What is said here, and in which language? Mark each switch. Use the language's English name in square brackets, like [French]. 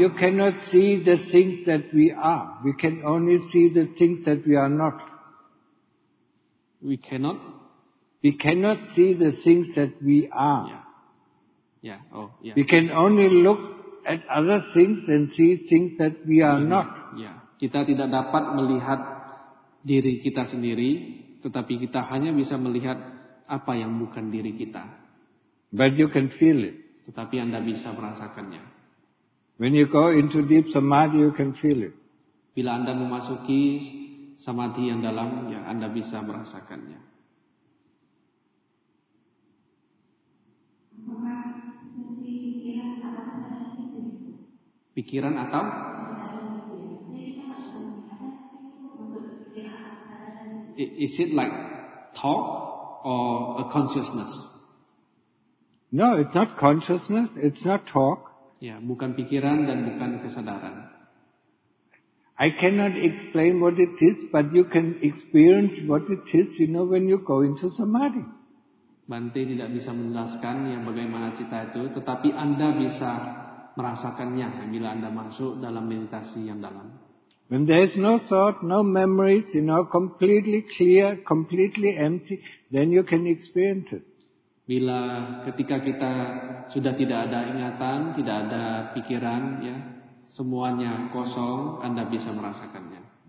[English] You cannot see the things that we are. We can only see the things that we are not. We cannot? We cannot see the things that we are. Yeah. Yeah. Oh, yeah. We can only look at other things and see things that we are not. Yeah. [Indonesian] Kita tidak dapat melihat diri kita sendiri, tetapi kita hanya bisa melihat apa yang bukan diri kita. [English] But you can feel it. [Indonesian] Tetapi Anda bisa merasakannya. [English] When you go into deep samadhi, you can feel it. [Indonesian] Bila Anda memasuki samadhi yang dalam, ya, Anda bisa merasakannya. Pikiran atau [English] is it like thought or a consciousness? No, it's not consciousness. It's not talk. [Indonesian] Ya, bukan pikiran dan bukan kesadaran. [English] I cannot explain what it is, but you can experience what it is. You know, when you go into samadhi. [Indonesian] Bante tidak bisa menjelaskan yang bagaimana cita itu, tetapi Anda bisa merasakannya bila Anda masuk dalam meditasi yang dalam. [English] When there is no thought, no memories, you know, completely clear, completely empty, then you can experience it. [Indonesian] Bila ketika kita sudah tidak ada ingatan, tidak ada pikiran, ya, semuanya kosong, Anda bisa merasakannya.